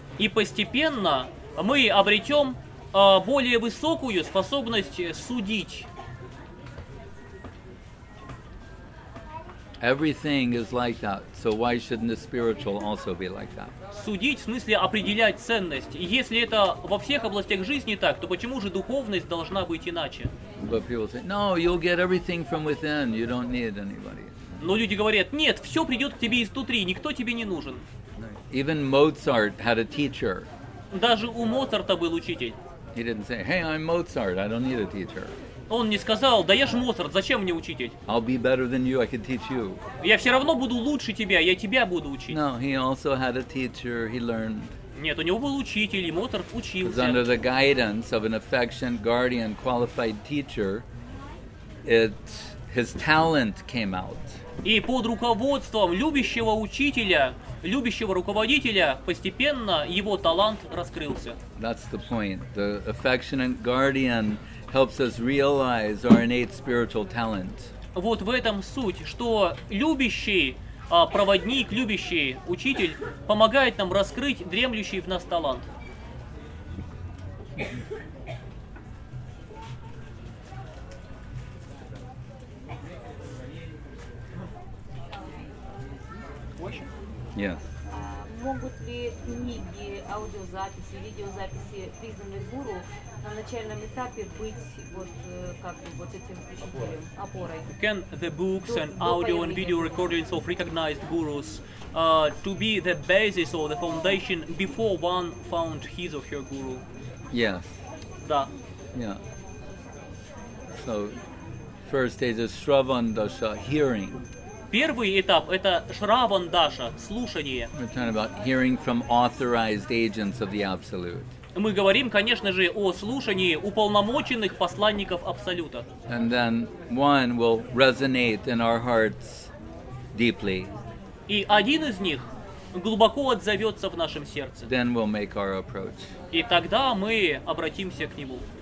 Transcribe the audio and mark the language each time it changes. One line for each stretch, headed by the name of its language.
Russian: И постепенно мы обретем более высокую способность судить.
English: Everything is like that. So why shouldn't the spiritual also be like that?
Russian: Судить, в смысле определять ценность. Если это во всех областях жизни так, то почему же духовность должна быть иначе?
English: But people say, no, you'll get everything from within. You don't need anybody.
Russian: Но люди говорят, нет, все придет к тебе изнутри, никто тебе не нужен.
English: Even Mozart had a teacher.
Russian: Даже у Моцарта был учитель.
English: He didn't say, hey, I'm Mozart, I don't need a teacher.
Russian: Он не сказал, да я ж Моцарт, зачем мне учитель?
English: I'll be better than you, I can teach you.
Russian: Я все равно буду лучше тебя, я тебя буду учить.
English: No, he also had a teacher, he learned.
Russian: Нет, у него был учитель, и Моцарт учился.
English: Because under the guidance of an affectionate guardian, qualified teacher, his talent came out.
Russian: И под руководством любящего учителя, любящего руководителя, постепенно его талант раскрылся.
English: That's the point. The affectionate guardian helps us realize our innate spiritual talent.
Russian: Вот в этом суть, что любящий проводник, любящий учитель помогает нам раскрыть дремлющий в нас талант.
English: Yes.
Russian: Могут ли книги, аудиозаписи, видеозаписи признанных гуру на начальном этапе быть вот как бы вот этим причиндалем, опорой?
English: Can the books and audio and video recordings of recognized gurus to be the basis or the foundation before one found his or her guru? Yes.
Russian: Да.
English: Yeah. So first stage is Shravan Dasha, hearing.
Russian: Первый этап – это шравандаша, слушание.
English: We're talking about hearing from authorized agents of the Absolute.
Russian: Мы говорим, конечно же, о слушании уполномоченных посланников Абсолюта.
English: And then one will resonate in our hearts deeply.
Russian: И один из них глубоко отзовется в нашем сердце.
English: Then we'll make our approach.
Russian: И тогда мы обратимся к нему.